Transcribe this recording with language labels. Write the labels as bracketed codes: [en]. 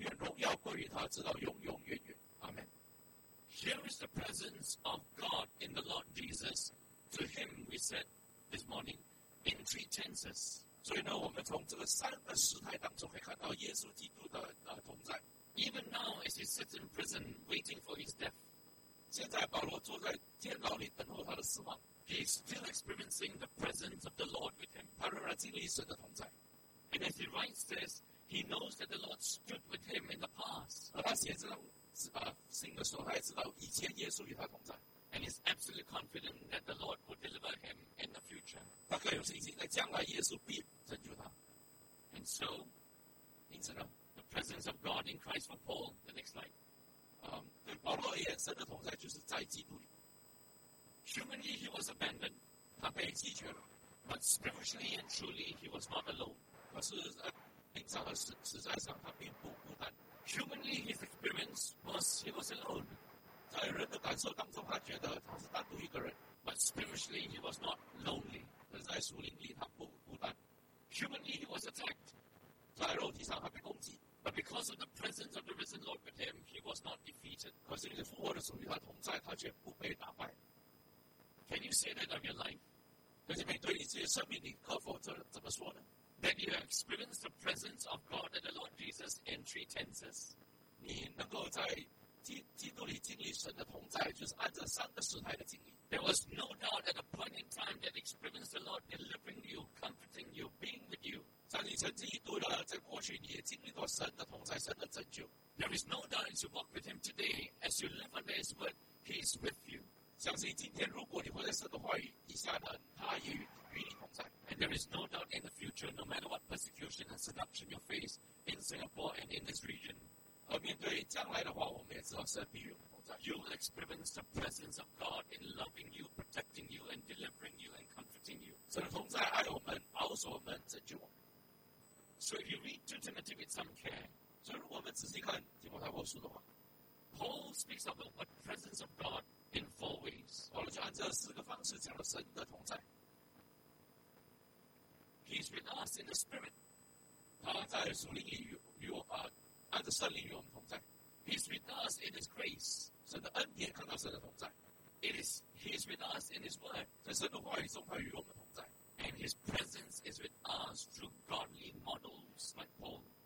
[zh] 我初次申诉的时候没有人前来帮我进都离弃我但愿这罪不归他们唯有主站在我的旁边给我加给我力量使福音被我进都传明叫外邦人都听见我也从狮子口中被救出来主必救我脱离诸般的凶恶也必救我进他的天国愿荣耀归于他直到永永远远 Amen. [en] Here is the presence of God in the Lord Jesus. To him we said this morning in three tenses. [zh] 所以呢，我们从这个三个时态当中可以看到耶稣基督的同在。 [en] Even now as he sits in prison waiting for his death, [zh] 现在保罗坐在监牢里等候他的死亡, [en] he is still experiencing the presence of the Lord with him. [zh] 他仍然经历神的同在。 [en] And as he writes this, he knows that the Lord stood with him in the past. [zh] 而他写这种信的时候，他也知道以前耶稣与他同在。 [en] And is absolutely confident that the Lord will deliver him in the future. [zh] 他更有信心在将来耶稣必拯救他。 [en] And so, the presence of God in Christ for Paul, the next slide. [zh] 对保罗而言，神的同在就是在基督里。 [en] Humanly, he was abandoned. [zh] 他被弃绝了。 [en] But spiritually and truly, he was not alone. [zh] 可是，灵上和实在上，他并不孤单。 [en] Humanly, his experience was he was alone. [zh] 在人的感受当中，他觉得他是单独一个人。 [en] But spiritually, he was not lonely. [zh] 但在属灵里，他不孤单。 [en] Humanly, he was attacked. [zh] 在肉体上，他被攻击。 [en] But because of the presence of the risen Lord with him, he was not defeated. [zh] 可是你复活的主与他同在，他却不被打败。 [en] Can you say that of your life? [zh] 弟兄姊妹，对你自己生命，你可否这么说呢？ [en] That you have experienced the presence of God and the Lord Jesus in three tenses. [zh] 你能够在 基督里经历神的同在，就是按这三个时态的经历。 [en] There was no doubt at a point in time that experienced the Lord delivering you, comforting you, being with you. [zh] 像你曾经一度的，在过去你也经历过神的同在，神的拯救。 [en] There is no doubt as you walk with Him today, as you live under His word, He is with you. [zh] 相信今天，如果你活在神的话语以下的，他与你同在。 [en] And there is no doubt in the future, no matter what persecution and seduction you face in Singapore and in this region. [zh] 而面对将来的话，我们也知道神必与我们同在。 [en] You will experience the presence of God in loving you, protecting you, and delivering you, and comforting you. [zh] 神的同在爱我们，保守我们，拯救我们。 [en] So if you read 2 Timothy with some care, [zh] 所以如果我们仔细看提摩太后书的话, [en] Paul speaks of the presence of God in four ways. [zh] 保罗就按这四个方式讲了神的同在。 [en] He's with us in the Spirit. [zh] 他在属灵里与我，按着圣灵与我们同在。 [en] He's with us in His grace. [zh] 神的恩典看到神的同在。 [en] He's with us in His word. [zh] 在神的话语中他与我们同在。 [en] And His presence is with us through godly models like Paul.